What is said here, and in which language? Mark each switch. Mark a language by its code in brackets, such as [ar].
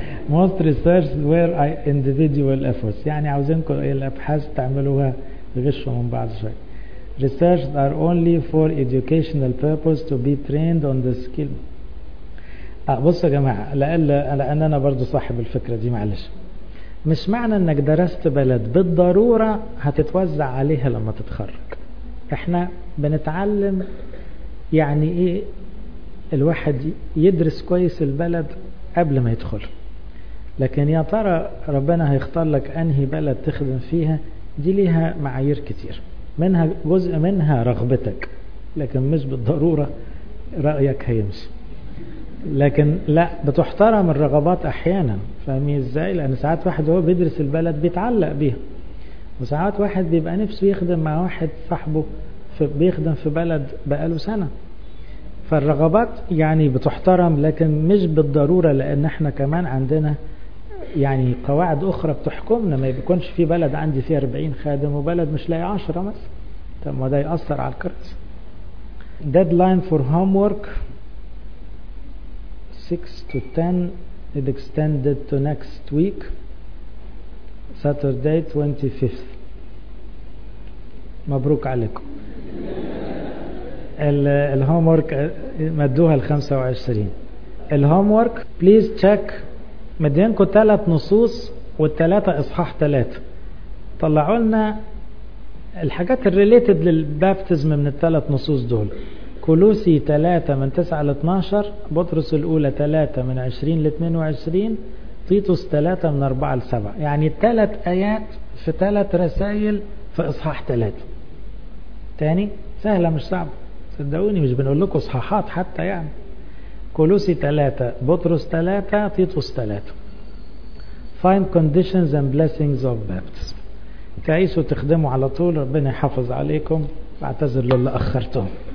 [en] Most research were individual efforts. [ar] يعني عاوزينكم الابحاث تعملوها غشوا من بعض شوي. [en] Research are only for educational purpose to be trained on the skill. [ar] بصوا يا جماعة، لأن أنا برضو صاحب الفكرة دي، معلش. مش معنى انك درست بلد بالضرورة هتتوزع عليها لما تتخرج. احنا بنتعلم يعني ايه الواحد يدرس كويس البلد قبل ما يدخل، لكن يا ترى ربنا هيختار لك انهي بلد تخدم فيها؟ دي ليها معايير كتير، منها جزء منها رغبتك، لكن مش بالضرورة رأيك هيمشي، لكن لا بتحترم الرغبات احيانا. فاهمين ازاي؟ لان ساعات واحد هو بيدرس البلد بيتعلق بيها، وساعات واحد بيبقى نفسه يخدم مع واحد صاحبه بيخدم في بلد بقاله سنة. فالرغبات يعني بتحترم، لكن مش بالضرورة، لان احنا كمان عندنا يعني قواعد اخرى بتحكمنا. ما بيكونش في بلد عندي فيه 40 خادم وبلد مش لاقي 10 مثلا، طب ما ده يأثر على الكرسي. [en] deadline for homework 6 to 10، it extended to next week Saturday 25th. [ar] مبروك عليكم. الهومورك مدوها ال 25. الهومورك بليز تشيك، مدينكم ثلاث نصوص والثلاثة اصحاح ثلاثة، طلعوا لنا الحاجات الريليتد للبابتزم من الثلاث نصوص دول. كولوسي 3:9-12، بطرس الأولى 3:20-22، تيتوس 3:4-7، يعني ثلاث آيات في ثلاث رسائل في إصحاح ثلاثة. تاني سهلة مش صعبة، صدقوني مش بنقول لكم إصحاحات حتى يعني. كولوسي 3، بطرس 3، تيتوس 3. [en] Find conditions and blessings of baptism. [ar] تعيسوا تخدموا على طول، ربنا يحافظ عليكم، بعتذر للي أخرتهم.